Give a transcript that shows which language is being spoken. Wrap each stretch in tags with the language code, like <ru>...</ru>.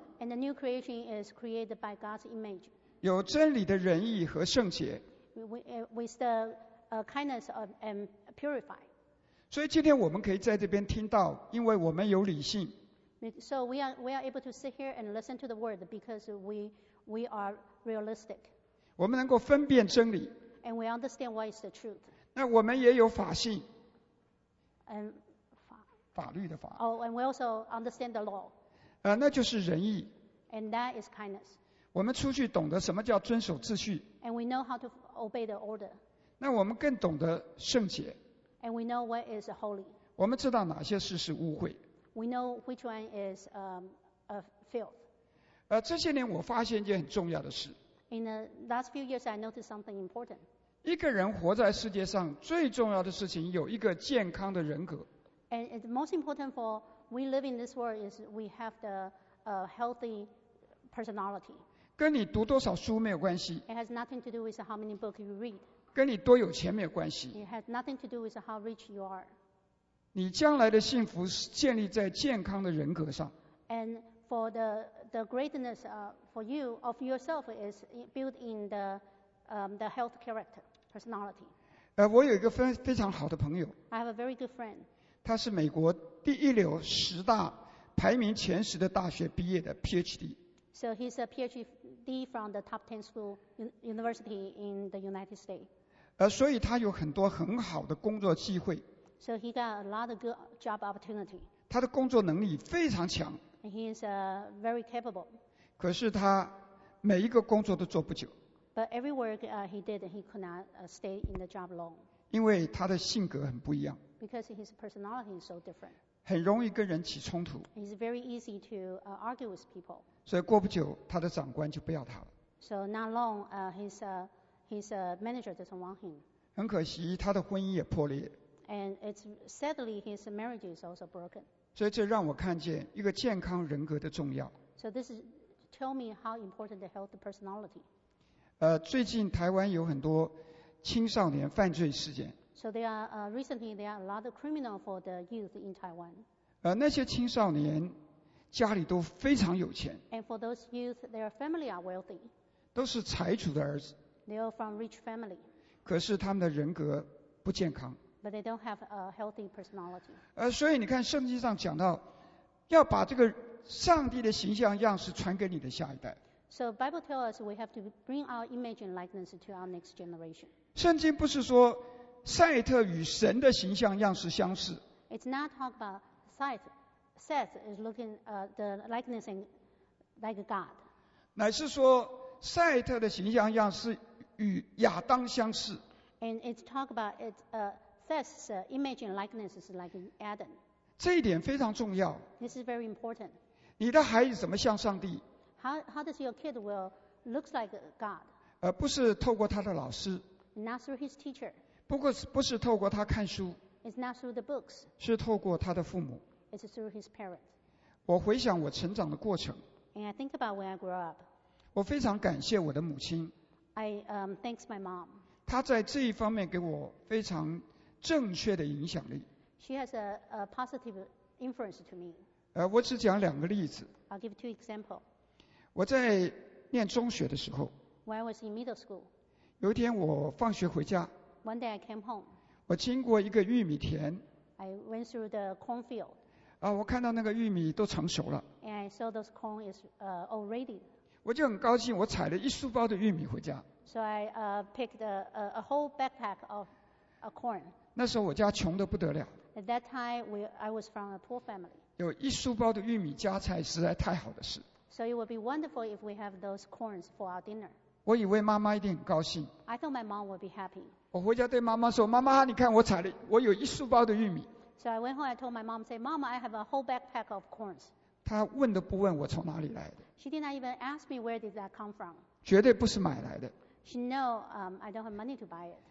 <en>And the new creation is created by God's image.</en> <zh>有真理的仁义和圣洁。</zh> <en>With the kindness of and purify.</en> <zh>所以今天我们可以在这边听到，因为我们有理性。</zh> <en>So we are able to sit here and listen to the word because we are realistic.</en> <zh>我们能够分辨真理。</zh> <en>And we understand what is the truth.</en> <zh>那我们也有法性。</zh> <en>And</en> <zh>法律的法。</zh> <en>Oh, and we also understand the law.</en> <zh>那就是仁义。</zh> <en>And that is kindness.</en> <zh>我们出去懂得什么叫遵守秩序。</zh> <en>And we know how to obey the order.</en> <zh>那我们更懂得圣洁。</zh> <en>And we know what is holy.</en> <zh>我们知道哪些事是污秽。</zh> <en>We know which one is a filth.</en> <zh>这些年我发现一件很重要的事。</zh> <en>In the last few years, I noticed something important.</en> <zh>一个人活在世界上最重要的事情有一个健康的人格。</zh> <en>And it's most important for we live in this world is we have the healthy personality.</en> <zh>跟你读多少书没有关系。</zh> <en>It has nothing to do with how many books you read.</en> <zh>跟你多有钱没有关系。</zh> <en>It has nothing to do with how rich you are.</en> <zh>你将来的幸福是建立在健康的人格上。</zh> <en>And for the greatness for you of yourself is built in the health character personality.</en> <zh>我有一个非常好的朋友。</zh> <en>I have a very good friend.</en> <zh>他是美国第一流十大排名前十的大学毕业的 PhD。</zh> <en>So he's a PhD D from the top 10 school university in the United States.</en> <zh>所以他有很多很好的工作机会。</zh> <en>So he got a lot of good job opportunity.</en> <zh>他的工作能力非常强。</zh> <en>And he is very capable.</en> <zh>可是他每一个工作都做不久。</zh> <en>But every work he did, he could not stay in the job long.</en> <zh>因为他的性格很不一样。</zh> <en>Because his personality is so different.</en> <zh>很容易跟人起冲突。</zh> <en>He's very easy to argue with people.</en> <zh>所以过不久，他的长官就不要他了。</zh> <en>So not long, his manager doesn't want him.</en> <zh>很可惜，他的婚姻也破裂。</zh> <en>And it's sadly his marriage is also broken.</en> <zh>所以这让我看见一个健康人格的重要。</zh> <en>So this is tell me how important the healthy personality.</en> <zh>最近台湾有很多青少年犯罪事件。</zh> <en>So there are recently there are a lot of criminal for the youth in Taiwan.</en> <zh>那些青少年家里都非常有钱。</zh> <en>And for those youth, their family are wealthy.</en> <zh>都是财主的儿子。</zh> <en>They are from rich family.</en> <zh>可是他们的人格不健康。</zh> <en>But they don't have a healthy personality.</en> <zh>所以你看圣经上讲到，要把这个上帝的形象样式传给你的下一代。</zh> <en>So Bible tells us we have to bring our image and likeness to our next generation.</en> <zh>圣经不是说赛特与神的形象样式相似。</zh> <en>It's not talk about Seth is looking the likeness and like God.</en> <zh>乃是说赛特的形象样式与亚当相似。</zh> <en>And it's talk about it Seth's image and likeness is like Adam.</en> <zh>这一点非常重要。</zh> <en>This is very important.</en> <zh>你的孩子怎么像上帝？</zh> <en>How does your kid will looks like God?</en> <zh>不是透过他的老师。</zh> <en>Not through his teacher.</en> <zh>不是透过他看书。</zh> <en>It's not through the books.</en> <zh>是透过他的父母。</zh> <en>It's through his parents.</en> <zh>我回想我成长的过程。</zh> <en>And I think about when I grew up.</en> <zh>我非常感谢我的母亲。</zh> <en>I thanks my mom.</en> <zh>她在这一方面给我非常正确的影响力。</zh> <en>She has a positive influence to me.</en> <zh>我只讲两个例子。</zh> <en>I'll give two examples.</en> <zh>我在念中学的时候。</zh> <en>When I was in middle school.</en> <zh>有一天我放学回家。</zh> <en>One day I came home.</en> <zh>我经过一个玉米田。</zh> <en>I went through the cornfield.</en> <zh>我看到那个玉米都成熟了。</zh> <en>And I saw those corn is already.</en> <zh>我就很高兴，我采了一书包的玉米回家。</zh> <en>So I picked a whole backpack of a corn.</en> <zh>那时候我家穷得不得了。</zh> <en>At that time, I was from a poor family.</en> <zh>有一书包的玉米加菜，实在太好的事。</zh> <en>So it would be wonderful if we have those corns for our dinner.</en> <zh>我以为妈妈一定很高兴。</zh> <en>I thought my mom would be happy.</en> <zh>我回家对妈妈说：“妈妈，你看我采了，我有一书包的玉米。</zh> <en>”So I went home. I told my mom, say, "Mom, I have a whole backpack of corns."</en> <zh>她问都不问我从哪里来的。</zh> <en>She did not even ask me where did that come from.</en> <zh>绝对不是买来的。</zh> <en>She know, I don't have money to buy it.</en>